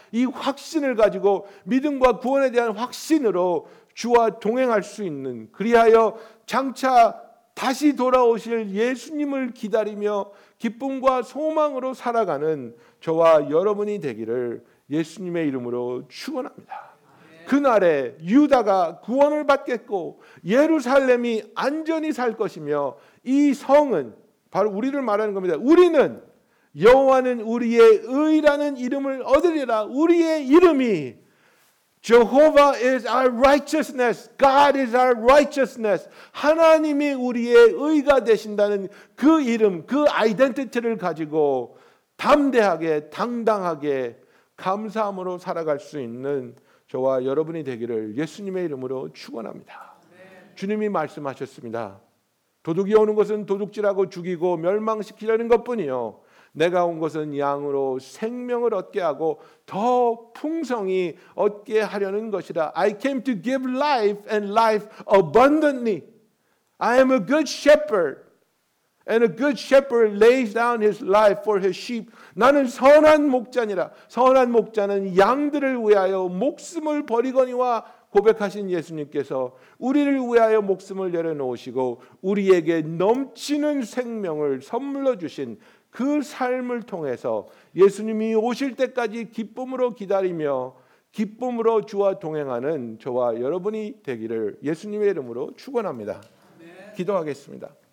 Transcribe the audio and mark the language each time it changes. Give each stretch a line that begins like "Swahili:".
Korean: 이 확신을 가지고 믿음과 구원에 대한 확신으로 주와 동행할 수 있는 그리하여 장차 다시 돌아오실 예수님을 기다리며 기쁨과 소망으로 살아가는 저와 여러분이 되기를 예수님의 이름으로 축원합니다. 그날에 유다가 구원을 받겠고 예루살렘이 안전히 살 것이며 이 성은 바로 우리를 말하는 겁니다. 우리는 여호와는 우리의 의라는 이름을 얻으리라. 우리의 이름이
English: Jehovah is our righteousness. God is our righteousness.
Korean: 하나님이 우리의 의가 되신다는 그 이름, 그 아이덴티티를 가지고 담대하게, 당당하게 감사함으로 살아갈 수 있는 저와 여러분이 되기를 예수님의 이름으로 축원합니다. 주님이 말씀하셨습니다. 도둑이 오는 것은 도둑질하고 죽이고 멸망시키려는 것뿐이요. 내가 온 것은 양으로 생명을 얻게 하고 더 풍성히 얻게 하려는 것이다.
English: I came to give life and life abundantly. I am a good shepherd. And a good shepherd lays down his life for his sheep.
Korean: 나는 선한 목자니라. 선한 목자는 양들을 위하여 목숨을 버리거니와 고백하신 예수님께서 우리를 위하여 목숨을 내려놓으시고 우리에게 넘치는 생명을 선물로 주신 그 삶을 통해서 예수님이 오실 때까지 기쁨으로 기다리며 기쁨으로 주와 동행하는 저와 여러분이 되기를 예수님의 이름으로 축원합니다. 기도하겠습니다.